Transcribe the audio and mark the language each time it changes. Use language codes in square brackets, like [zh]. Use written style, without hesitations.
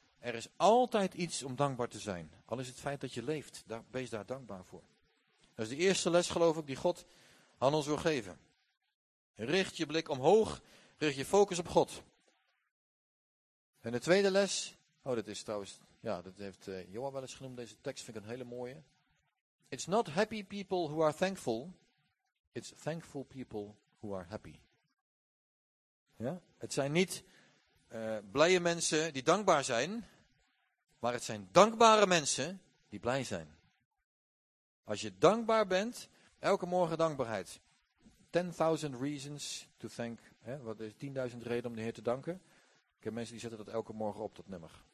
[nl] Er is altijd iets om dankbaar te zijn. Al is het feit dat je leeft, wees daar dankbaar voor. Dat is de eerste les, geloof ik, die God aan ons wil geven. Richt je blik omhoog, richt je focus op God. En de tweede les, dat heeft Johan wel eens genoemd, deze tekst vind ik een hele mooie. [en] It's not happy people who are thankful, it's thankful people who are happy. [nl] Ja? Het zijn niet blije mensen die dankbaar zijn, maar het zijn dankbare mensen die blij zijn. Als je dankbaar bent, elke morgen dankbaarheid. [en] 10.000 reasons to thank, [nl] hè? Wat is 10.000 redenen om de Heer te danken? Ik heb mensen die zetten dat elke morgen op, dat nummer.